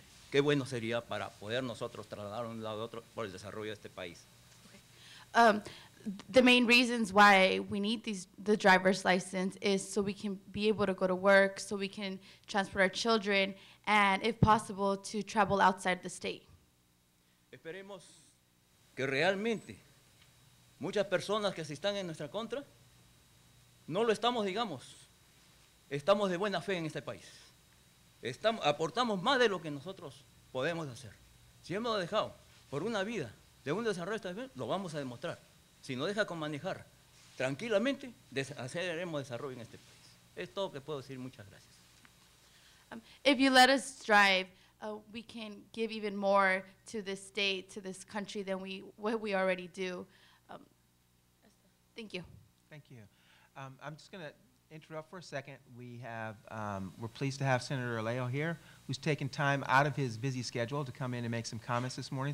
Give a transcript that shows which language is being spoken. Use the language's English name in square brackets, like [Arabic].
[Spanish] Qué bueno sería para poder nosotros trasladar a un lado a otro por el desarrollo de este país. [English] The main reasons why we need the driver's license is so we can be able to go to work, so we can transport our children, and if possible, to travel outside the state. [Spanish] Esperemos que realmente muchas personas que están en nuestra contra, no lo estamos, digamos, estamos de buena fe en este país. Estamos, aportamos más de lo que nosotros podemos hacer. Si hemos dejado por una vida de un desarrollo, lo vamos a demostrar. Si no deja con manejar tranquilamente, haremos desarrollo en este país. Es todo que puedo decir. Muchas gracias. [English] If you let us drive, we can give even more to this state, to this country than what we already do. Thank you. Thank you. I'm just going to interrupt for a second. We have, we're pleased to have Senator Alejo here, who's taken time out of his busy schedule to come in and make some comments this morning.